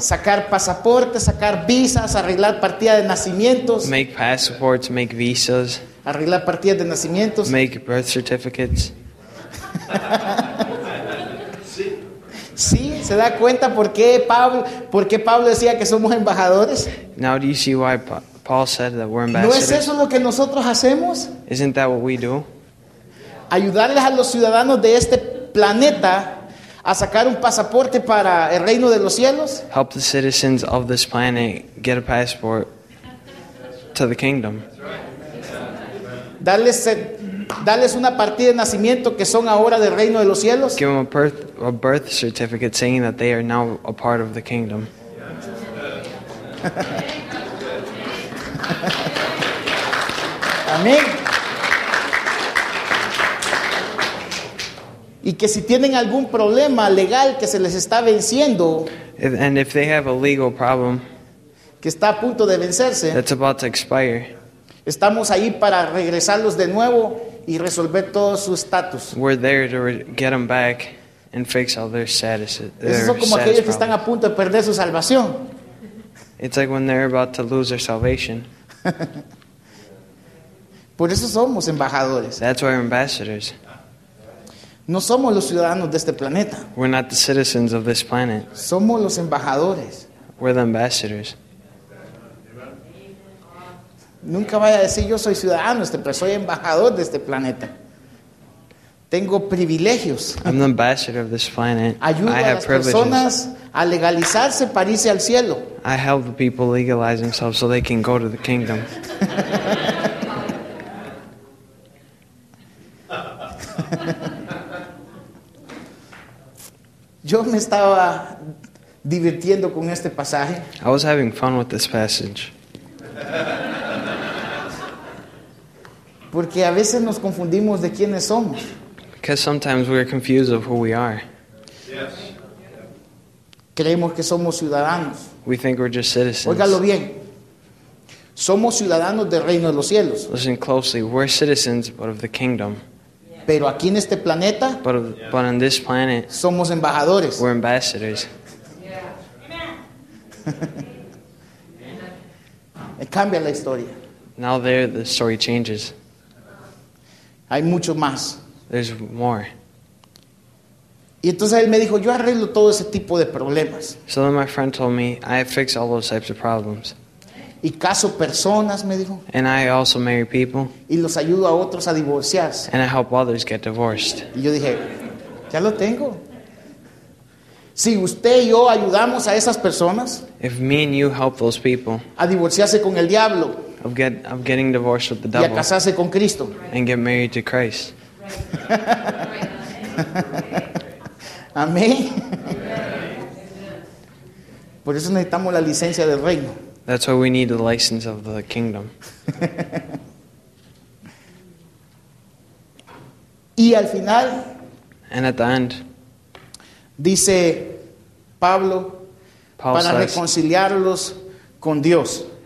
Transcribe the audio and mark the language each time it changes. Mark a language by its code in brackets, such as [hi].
[es] Sacar pasaportes, sacar visas, arreglar partidas de nacimientos. [en] Make passports, make visas. [es] Arreglar partidas de nacimientos. [en] Make birth certificates. [es] Sí, se da cuenta por qué Pablo decía que somos embajadores. [en] Now do you see why Paul said that we're ambassadors? [es] ¿No es eso lo que nosotros hacemos? [en] Isn't that what we do? [es] Ayudarles a los ciudadanos de este planeta a sacar un pasaporte para el reino de los cielos. [en] Help the citizens of this planet get a passport to the kingdom. [es] Darles una partida de nacimiento que son ahora del reino de los cielos. [en] Give them a birth certificate saying that they are now a part of the kingdom. [es] Amén. Y que si tienen algún problema legal que se les está venciendo, [en] and if they have a legal problem, [es] que está a punto de vencerse, [en] that's about to expire, [es] estamos ahí para regresarlos de nuevo y resolver todo su status. [en] We're there to get them back and fix all their status. [es] Son como aquellos que están a punto de perder su salvación. [en] It's like when they're about to lose their salvation. [es] Por eso somos embajadores. [en] That's why we're ambassadors. [es] No somos los ciudadanos de este planeta. [en] We're not the citizens of this planet. [es] Somos los embajadores. [en] We're the ambassadors. [es] Nunca vaya a decir yo soy ciudadano, pero soy embajador de este planeta. Tengo privilegios. [en] I'm the ambassador of this planet. [es] Ayudo [en] I have [es] a las [en] privileges. [es] Personas a legalizarse para irse al cielo. [en] I help the people legalize themselves so they can go to the kingdom. [es] Yo me estaba divirtiendo con este pasaje. [en] I was having fun with this passage. [es] Porque a veces nos confundimos de quiénes somos. [en] Because sometimes we are confused of who we are. Yes. [es] Creemos que somos ciudadanos. [en] We think we're just citizens. [es] Óigalo bien. Somos ciudadanos del reino de los cielos. [en] Listen closely. We're citizens, but of the kingdom. [es] Pero aquí en este planeta, [en] but on this planet, [es] somos embajadores. [en] We're ambassadors. Yeah. [es] Cambia la historia. [en] Now there, the story changes. [es] Hay mucho más. [en] There's more. [es] Y entonces él me dijo, yo arreglo todo ese tipo de problemas. [en] So then my friend told me, I fix all those types of problems. [es] Y caso personas, me dijo. [en] And I also marry people. [es] Y los ayudo a otros a divorciarse. [en] And I help others get divorced. [es] Y yo dije, ya lo tengo. Si usted y yo ayudamos a esas personas. [en] If me and you help those people. [es] A divorciarse con el diablo. [en] Of getting divorced with the devil. [es] Y a casarse con Cristo. [en] And get married to Christ. [es] Amén. Por eso necesitamos la licencia del reino. [en] That's why we need the license of the kingdom. [es] Y al final, [en] and at the end, [es] dice Pablo, Paul para [en] says, [es] reconciliarlos con Dios.